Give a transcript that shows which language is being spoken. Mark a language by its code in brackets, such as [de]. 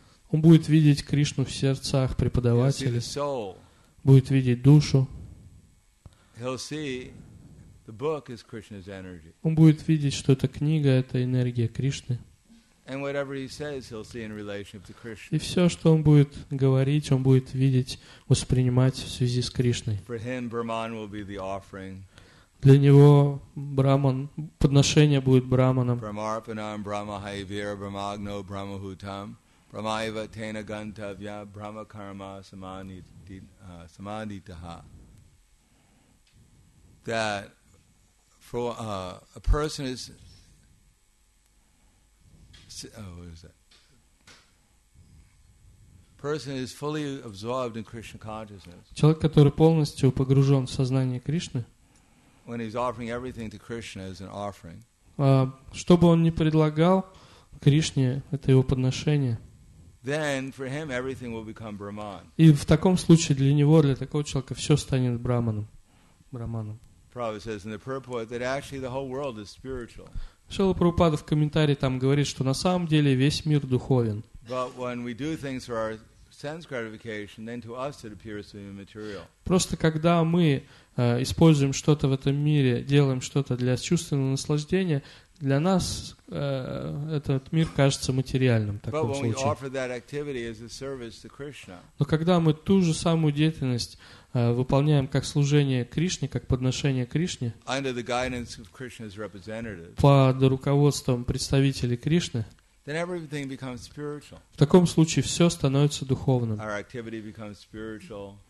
[ru] Он будет видеть Кришну в сердцах преподавателя, будет видеть душу. [en] He'll see the book is Krishna's energy. [ru] Он будет видеть, что эта книга — это энергия Кришны. [en] And whatever he says, he'll see in relationship to Krishna. [ru] И все, что он будет говорить, он будет видеть, воспринимать в связи с Кришной. [en] For him, Brahman will be the offering. [ru] Для него Брахман, подношение будет Брахманом. [sa] Brahmarpanam, Brahmahaivira, Brahmagno, Brahmahutam, Brahmaiva, Tena Gantavya, Brahmakarma, Samanditaha. [en] That for a person is person is fully absorbed in Krishna consciousness. [ru] Человек, который полностью погружен в сознание Кришны. [en] When he's offering everything to Krishna as an offering. [ru] Что бы он ни предлагал Кришне, это его подношение. [en] Then for him everything will become Brahman. [ru] И в таком случае для него, для такого человека, все станет Брахманом. [en] Prabhupada says in the purport that actually the whole world is spiritual. [ru] Шрила Прабхупада в комментарии там говорит, что на самом деле весь мир духовен. [en] But when we do things for our sense gratification, then to us it appears to be material. [ru] Просто когда мы используем что-то в этом мире, делаем что-то для чувственного наслаждения, для нас этот мир кажется материальным в таком случае. [en] But when we offer that activity as a service to Krishna. [ru] Но когда мы ту же самую деятельность выполняем как служение Кришне, как подношение Кришне, [en] under the guidance of Krishna's representative, [ru] под руководством представителей Кришны, [en] then everything becomes spiritual. [ru] В таком случае все становится духовным. [en] Our activity becomes spiritual.